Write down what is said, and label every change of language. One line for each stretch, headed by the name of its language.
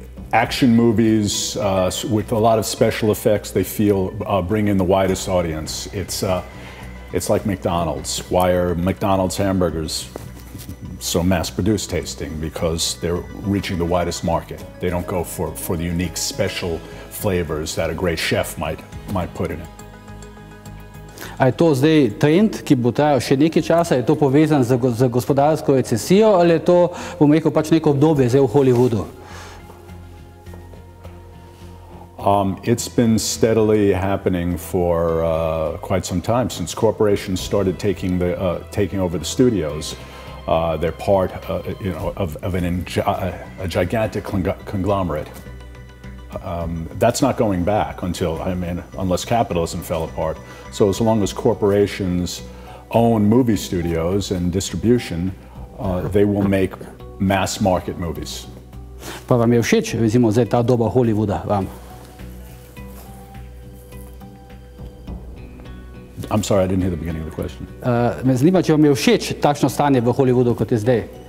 English: Action movies with a lot of special effects, they feel bring in the widest audience. It's like McDonald's. Why are McDonald's hamburgers so mass-produced tasting? Because they're reaching the widest market. They don't go for the unique special flavors that a great chef might put in it.
Slovenian: A je to zdaj trend, ki bo trajal še nekaj časa, je to povezan z gospodarsko recesijo ali je to, bom rekel, pač neko obdobje zdaj v Hollywoodu?
English: It's been steadily happening for quite some time since corporations started taking over the studios. They're part of a gigantic conglomerate. That's not going back unless capitalism fell apart. So as long as corporations own movie studios and distribution, they will make mass market movies.
Slovenian: Pa vam je všeč, recimo, zdaj ta doba Hollywooda vam?
English: I'm sorry, I didn't hear the beginning of the question.
Slovenian: Me zanima, če vam je všeč takšno stanje v Hollywoodu, kot je zdaj?